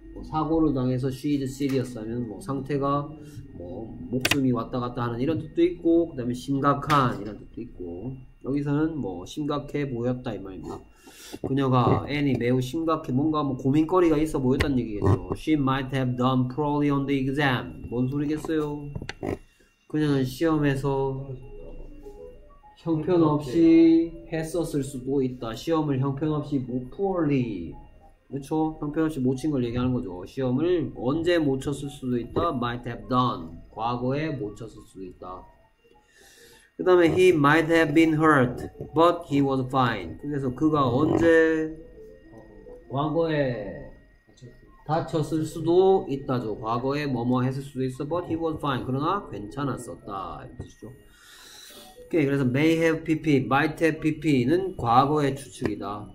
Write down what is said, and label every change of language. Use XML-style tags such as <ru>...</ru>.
<ko>사고를 당해서</ko> <en>she is serious</en> <ko>하면 뭐 상태가 뭐 목숨이 왔다 갔다 하는 이런 뜻도 있고 그 다음에 심각한 이런 뜻도 있고 여기서는 뭐 심각해 보였다 이 말입니다. 그녀가 애니 매우 심각해 뭔가 뭐 고민거리가 있어 보였다는 얘기겠죠.</ko> <en>She might have done poorly on the exam.</en> <ko>뭔 소리겠어요? 그녀는 시험에서 형편없이 했었을 수도 있다. 시험을 형편없이 못 poorly 그쵸? 형편없이 못 친 걸 얘기하는 거죠. 시험을 언제 못 쳤을 수도 있다.</ko> <en>Might have done.</en> <ko>과거에 못 쳤을 수도 있다. 그 다음에</ko> <en>He might have been hurt, but he was fine.</en> <ko>그래서 그가 언제 과거에 다쳤을 수도 있다죠. 과거에 뭐뭐 했을 수도 있어.</ko> <en>But he was fine.</en> <ko>그러나 괜찮았었다. 이랬죠. 오케이 okay, 그래서 may have pp, might have pp는 과거의 추측이다.</ko>